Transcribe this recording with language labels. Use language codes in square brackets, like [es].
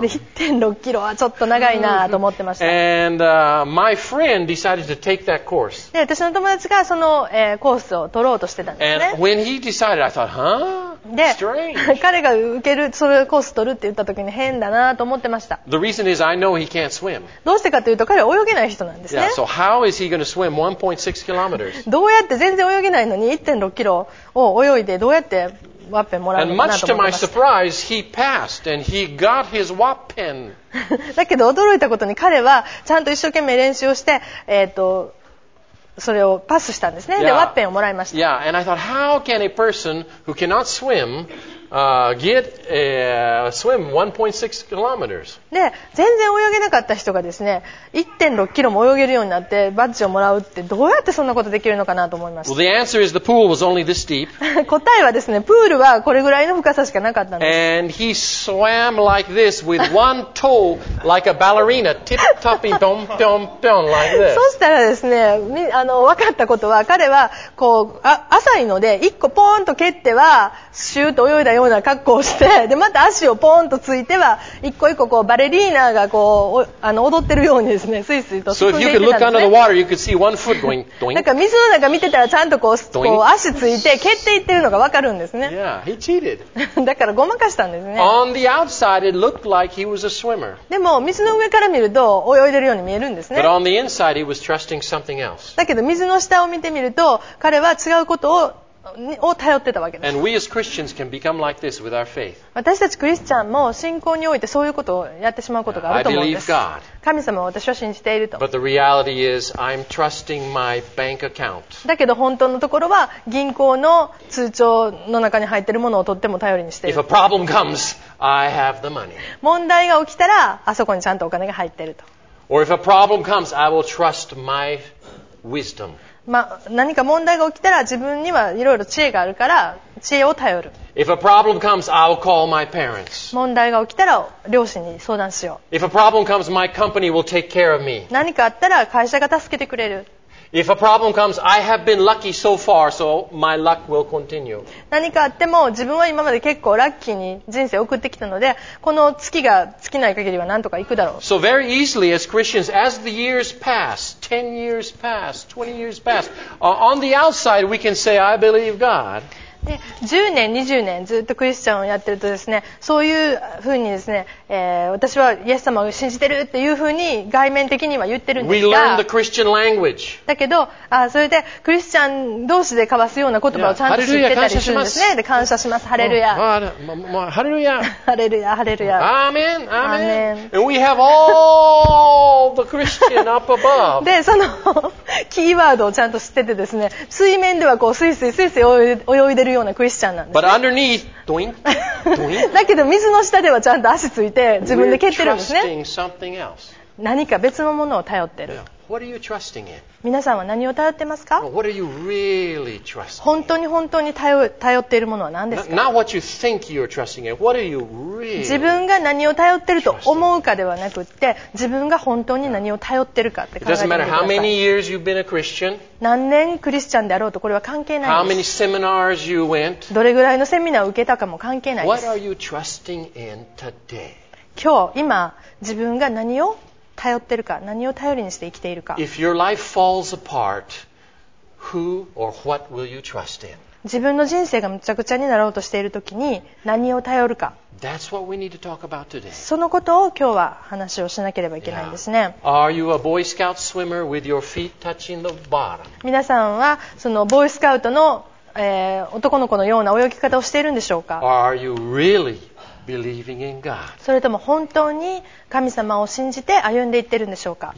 [ja] で 1.6 キロはちょっと長いなと思ってました。 [en] And, my friend decided to take that course. [ja] で私の友達がその、コースを取ろうとしてたんですね。 [en] And when he decided, I thought, huh? [ja] で、 [en] Strange. [ja] 彼が受けるそれコース取るって言った時に変だなと思ってました。 [en] The reason is I know he can't swim. [ja] どうしてかというと彼は泳げない人なんですね。 [en] Yeah, so how is he going to swim 1.6 kilometers? [ja] どうやって全然泳げないのに 1.6 キロを泳いでどうやってワッペンもらうのかなと思ってました。 [en] And much to my surprise, he passed and he got his ワッペン。 [ja] だけど驚いたことに彼はちゃんと一生懸命練習をして、それをパスしたんですね。 [en] Yeah. [ja] で、ワッペンをもらいました。 [en] Yeah, and I thought, how can a person who cannot swim, get a swim 1.6 kilometers? [ja] で、全然泳げなかった人がですね、1.6 キロも泳げるようになってバッジをもらうってどうやってそんなことできるのかなと思いました。 [en] Well, the answer is the pool was only this deep. [ja] 答えはですね、プールはこれぐらいの深さしかなかったんです。 [en] And he swam like this with one toe like a ballerina, tip topping, dom dom dom like this. [ja] そしたらですね、分かったことは彼はこう浅いので1個ポーンと蹴ってはシューと泳いだような格好をして、でまた足をポーンとついては一個一個こうバレリーナがこう踊ってるようにですね、スイスイと進んでいってたんですね。 [en] So if you could look under the water, you could see one foot going doink. [ja] 水の中見てたらちゃんとこう足ついて蹴っていってるのが分かるんですね。 [en] Yeah, he cheated. [ja] だからごまかしたんですね。 [en] On the outside, it looked like he was a swimmer. [ja] でも水の上から見ると泳いでるように見えるんですね。 [en] But on the inside, he was trusting something else. [ja] だけど水の下を見てみると彼は違うことを頼ってたわけです。 [en] And we as Christians can become like this with our faith. [ja] 私たちクリスチャンも信仰においてそういうことをやってしまうことがあると思うんです。 [en] I believe God. [ja] 神様を私は信じていると。 [en] But the reality is I'm trusting my bank account. [ja] だけど本当のところは銀行の通帳の中に入っているものをとっても頼りにしている。 [en] If a problem comes, I have the money. [ja] 問題が起きたらあそこにちゃんとお金が入っていると。 [en] Or if a problem comes, I will trust myWisdom. [ja] まあ、何か問題が起きたら自分にはいろいろ知恵があるから知恵を頼る。 [en] If a problem comes, I'll call my parents. [ja] 問題が起きたら両親に相談しよう。 [en] If a problem comes, my company will take care of me. [ja] 何かあったら会社が助けてくれる。 [en] If a problem comes, I have been lucky so far, so my luck will continue. [ja] 何かあっても自分は今まで結構ラッキーに人生を送ってきたので、この月が尽きない限りは何とか行くだろう。 [en] So very easily as Christians, as the years pass,10 years passed, 20 years passed. On the outside, we can say, I believe God. [ja] で、10年、20年、ずっとクリスチャンをやってるとですね、そういうふうにですね、私はイエス様を信じてるっていうふうに外面的には言ってるんですが、 [en] We learn the Christian language. [ja] だけど、それでクリスチャン同士で交わすような言葉をちゃんと知ってたりするんですね。で、感謝します。ハレルヤ。ハレルヤ。ハレルヤ、ハレルヤ。アーメン、アーメン。 [en] And we have all the Christian up above. [ja] で、そのキーワードをちゃんと知っててですね、水面ではこうスイスイスイスイ泳いでるようなクリスチャンなんです、ね。 [en] But underneath, ドイン、ドイン。 [ja] だけど水の下ではちゃんと足ついて自分で蹴ってるんですね。 [en] We're trusting something else. [ja] 何か別のものを頼ってる。 [en] Yeah. What are you trusting in? [ja] 皆さんは何を頼ってますか？ [en] What are you really trusting in? [ja] 本当に本当に頼っているものは何ですか？ [en] Not what you think you're trusting in. What are you really? [ja] 自分が何を頼ってると思うかではなくって、自分が本当に何を頼ってるかって考えてください。 [en] It doesn't matter how many years you've been a Christian. [ja] 何年クリスチャンであろうとこれは関係ないです。 [en] How many seminars you went? [ja] どれぐらいのセミナーを受けたかも関係ないです。 [en] What are you trusting in today? [ja] 今日、今、自分が何を頼ってるか、何を頼りにして生きているか。 [en] If your life falls apart, who or what will you trust in? [ja] 自分の人生がむちゃくちゃになろうとしているときに何を頼るか。 [en] That's what we need to talk about today. [ja] そのことを今日は話をしなければいけないんですね。 [en] Yeah. Are you a Boy Scout swimmer with your feet touching the bottom? [ja] 皆さんはそのボーイスカウトの、男の子のような泳ぎ方をしているんでしょうか。 [en] Are you really believing in God? [ja] それとも本当に神様を信じて歩んでいってるんでしょうか。